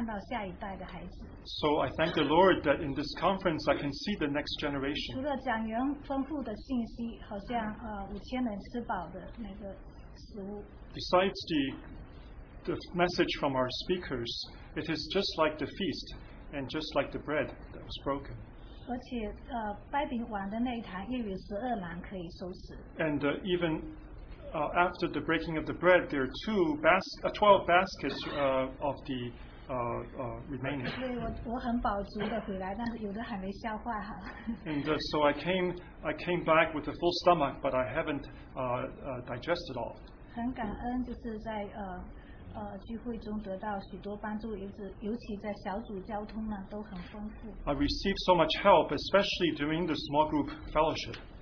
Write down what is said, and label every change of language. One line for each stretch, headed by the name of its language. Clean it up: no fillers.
English: So I thank the Lord that in this conference I can see the next generation.
Chinese: 除了讲员丰富的信息，好像五千人吃饱的那个食物。
English: Besides the message from our speakers, it is just like the feast and just like the bread that was broken.
Chinese: 而且，掰饼碗的那一坛，也有十二篮可以收拾。
English: And even after the breaking of the bread, there are 12 baskets of the remaining.
Chinese: 对，我很饱足的回来，但是有的还没消化哈。
English: And so I came back with a full stomach, but I haven't digested all.
Chinese: 很感恩，就是在聚会中得到许多帮助，尤其在小组交通呢都很丰富。
English: I received so much help, especially during the small group fellowship.